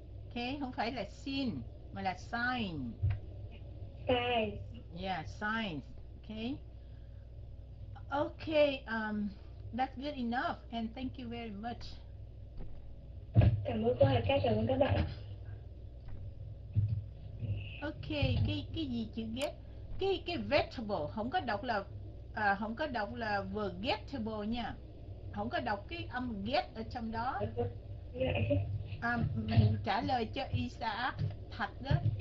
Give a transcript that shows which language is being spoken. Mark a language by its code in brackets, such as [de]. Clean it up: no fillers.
[vi] Okay, không phải là sin mà là sign. [en] Sign. Yeah, signs. Okay. Okay, that's good enough and thank you very much. [vi] Cảm ơn cô Hà, cảm ơn các bạn. Okay, cái gì chữ get? Cái vegetable không có đọc là không có đọc là vegetable nha. Không có đọc cái âm get ở trong đó. Mình trả lời cho Isaac thật đó.